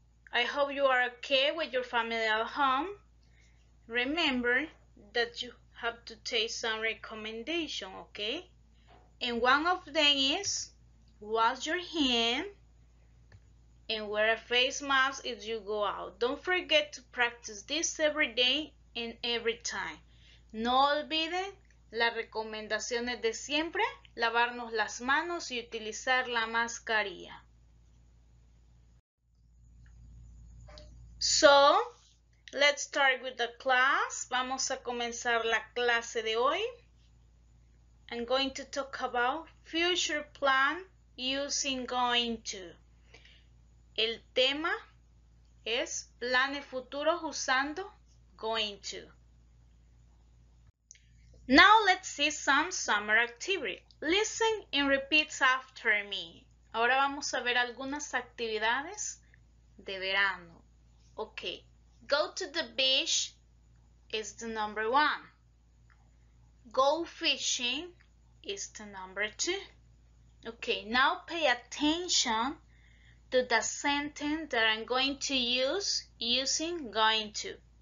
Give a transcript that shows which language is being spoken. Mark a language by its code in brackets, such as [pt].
[en] I hope you are okay with your family at home. Remember that you have to take some recommendations, okay? And one of them is wash your hands and wear a face mask if you go out. Don't forget to practice this every day and every time. [es] No olviden las recomendaciones de siempre, lavarnos las manos y utilizar la mascarilla. [en] So, let's start with the class. [es] Vamos a comenzar la clase de hoy. [en] I'm going to talk about future plan using going to. [es] El tema es planes futuros usando going to. [en] Now, let's see some summer activity. Listen and repeat after me. [es] Ahora vamos a ver algunas actividades de verano. [en] Okay, go to the beach is the number one. Go fishing is the number two. Okay, now pay attention to the sentence that I'm going to use using going to.